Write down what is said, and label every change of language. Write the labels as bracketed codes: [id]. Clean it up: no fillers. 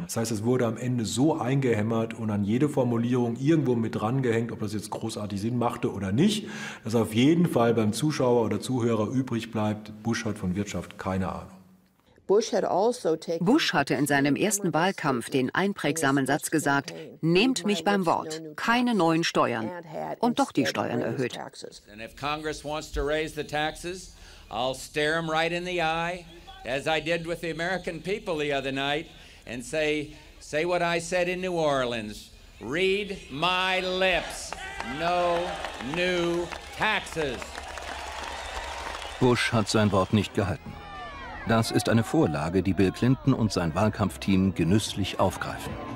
[de] Das heißt, es wurde am Ende so eingehämmert und an jede Formulierung irgendwo mit drangehängt, ob das jetzt großartig Sinn machte oder nicht, dass auf jeden Fall beim Zuschauer oder Zuhörer übrig bleibt, Bush hat von Wirtschaft keine Ahnung. Bush hatte in seinem ersten Wahlkampf den einprägsamen Satz gesagt, nehmt mich beim Wort, keine neuen Steuern, und doch die Steuern erhöht. [en] And if Congress wants to raise the taxes, I'll stare them right in the eye, as I did with the American people the other night, and say what I said in New Orleans, read my lips, no new taxes. [de] Bush hat sein Wort nicht gehalten. Das ist eine Vorlage, die Bill Clinton und sein Wahlkampfteam genüsslich aufgreifen.